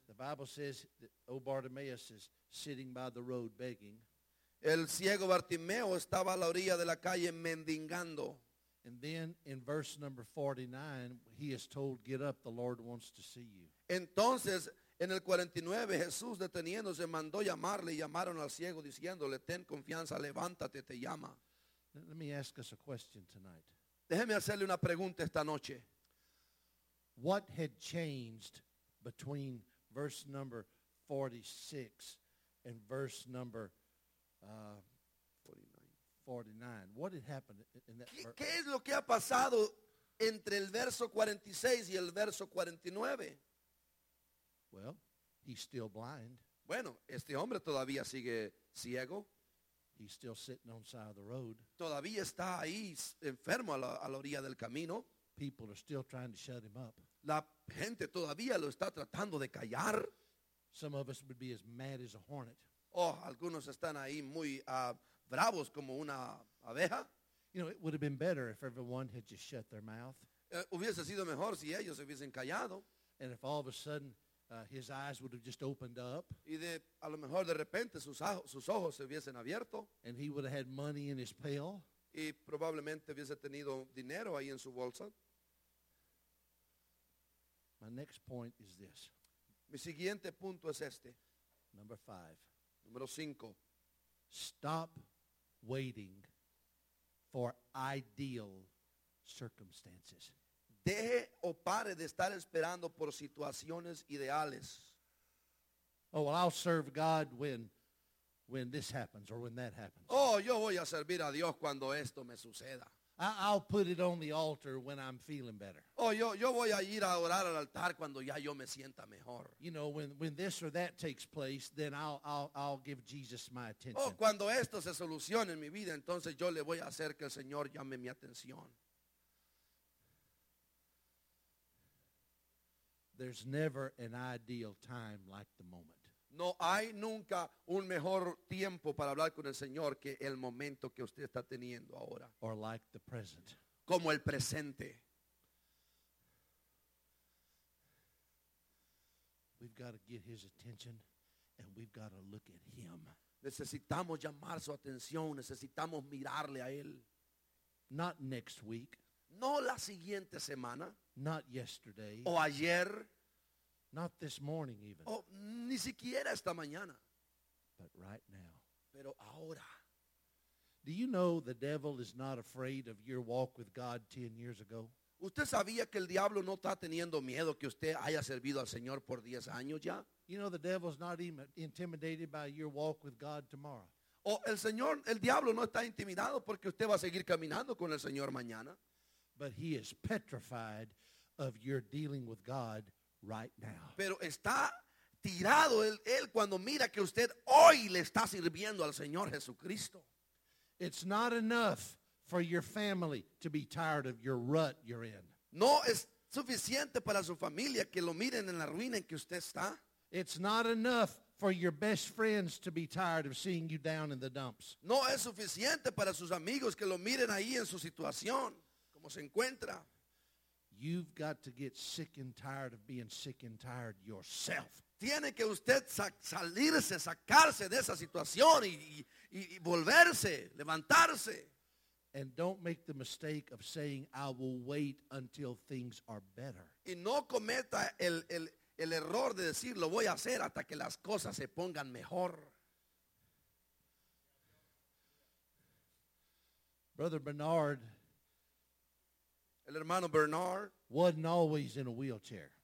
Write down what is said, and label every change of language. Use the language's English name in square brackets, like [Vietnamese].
[English] the Bible says that Bartimaeus is sitting by the road begging. [Spanish] El ciego Bartimeo estaba a la orilla de la calle mendigando. [English] And then in verse number 49, he is told, get up, the Lord wants to see you. [Spanish] Entonces, en el 49, Jesús deteniéndose mandó llamarle y llamaron al ciego diciéndole, ten confianza, levántate, te llama. [English] Let me ask us a question tonight. [Spanish] Déjeme hacerle una pregunta esta noche. [English] What had changed between verse number 46 and verse number 49. What had happened in that? [Spanish] ¿Qué es lo que ha pasado entre el verso 46 y el verso 49? [English] Well, he's still blind. [Spanish] Bueno, este hombre todavía sigue ciego. [English] He's still sitting on the side of the road. [Spanish] Todavía está ahí enfermo a la orilla del camino. [English] People are still trying to shut him up. [Spanish] La gente todavía lo está tratando de callar. [English] Some of us would be as mad as a hornet. [Spanish] Oh, algunos están ahí muy bravos como una abeja. [English] You know, it would have been better if everyone had just shut their mouth. [Spanish] Hubiese sido mejor si ellos hubiesen callado. [English] And if all of a sudden his eyes would have just opened up. [Spanish] Y de, a lo mejor de repente sus ojos se hubiesen abierto. [English] And he would have had money in his pail. [Spanish] Y probablemente hubiese tenido dinero ahí en su bolsa. [English] My next point is this. [Spanish] Mi siguiente punto es este. [English] Number 5. [Spanish] Número 5. [English] Stop waiting for ideal circumstances. [Spanish] Deje o pare de estar esperando por situaciones ideales. [English] Oh, well, I'll serve God when this happens or when that happens. [Spanish] Oh, yo voy a servir a Dios cuando esto me suceda. [English] I'll put it on the altar when I'm feeling better. [Spanish] Oh, yo voy a ir a orar al altar cuando ya yo me sienta mejor. [English] You know, when this or that takes place, then I'll give Jesus my attention. [Spanish] Oh, cuando esto se solucione en mi vida, entonces yo le voy a hacer que el Señor llame mi atención. [English] There's never an ideal time like the moment. [Spanish] No hay nunca un mejor tiempo para hablar con el Señor que el momento que usted está teniendo ahora. [English] Or like the present. [Spanish] Como el presente. [English] We've got to get his attention and we've got to look at him. [Spanish] Necesitamos llamar su atención, necesitamos mirarle a él. [English] Not next week. [Spanish] No la siguiente semana. [English] Not yesterday. [Spanish] O ayer. [English] Not this morning even. [Spanish] Oh, ni siquiera esta mañana. [English] But right now. [Spanish] Pero ahora, [English] do you know the devil is not afraid of your walk with God 10 years ago? [Spanish] ¿Usted sabía que el diablo no está teniendo miedo que usted haya servido al Señor por 10 años ya? [English] You know the devil's not even intimidated by your walk with God tomorrow. [Spanish] O el Señor, el diablo no está intimidado porque usted va a seguir caminando con el Señor mañana. [English] But he is petrified of your dealing with God right now. [Spanish] Pero está tirado él cuando mira que usted hoy le está sirviendo al Señor Jesucristo. [English] It's not enough for your family to be tired of your rut you're in. [Spanish] No es suficiente para su familia que lo miren en la ruina en que usted está. [English] It's not enough for your best friends to be tired of seeing you down in the dumps. [Spanish] No es suficiente para sus amigos que lo miren ahí en su situación, como se encuentra. [English] You've got to get sick and tired of being sick and tired yourself. [Spanish] Tiene que usted salirse, sacarse de esa situación y volverse, levantarse. [English] And don't make the mistake of saying, I will wait until things are better. [Spanish] Y no cometa el error de decir, lo voy a hacer hasta que las cosas se pongan mejor. [English] Brother Bernard, [Spanish] el hermano Bernard, [English] wasn't always in a wheelchair.